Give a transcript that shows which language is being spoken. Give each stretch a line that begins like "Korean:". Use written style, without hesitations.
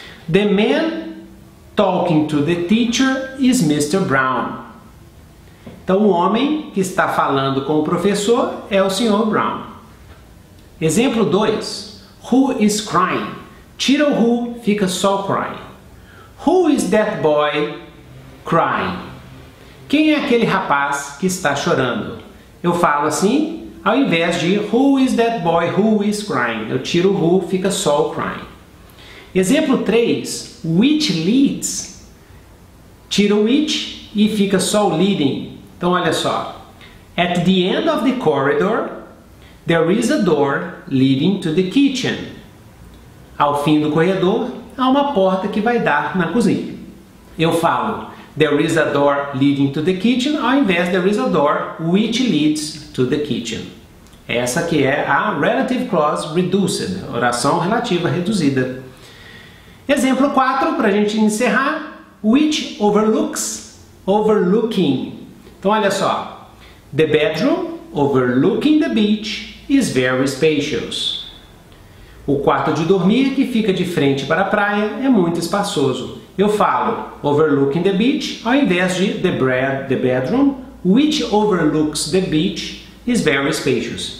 English: The man talking to the teacher is Mr. Brown.
Portuguese: Então, o homem que está falando com o professor é o Sr.
English: Brown.
Portuguese: Exemplo 2.
English: Who is crying?
Portuguese: Tira o who, fica só crying.
English: Who is that boy crying?
Portuguese: Quem é aquele rapaz que está chorando? Eu falo assim, ao invés de
English: who is that boy who is crying.
Portuguese: Eu tiro o who, fica só crying. Exemplo 3.
English: Which leads?
Portuguese: Tira o which e fica só leading. Então, olha só.
English: At the end of the corridor, there is a door leading to the kitchen.
Portuguese: Ao fim do corredor, há uma porta que vai dar na cozinha. Eu falo,
English: there is a door leading to the kitchen,
Portuguese: ao invés de
English: there is a door which leads to the kitchen.
Portuguese: Essa que é a
English: relative clause reduced,
Portuguese: oração relativa reduzida. Exemplo 4, para a gente encerrar,
English: which overlooks overlooking.
Portuguese: Então, olha só,
English: the bedroom overlooking the beach is very spacious.
Portuguese: O quarto de dormir, que fica de frente para a praia, é muito espaçoso. Eu falo
English: overlooking the beach,
Portuguese: ao invés de
English: the bedroom, which overlooks the beach, is very spacious.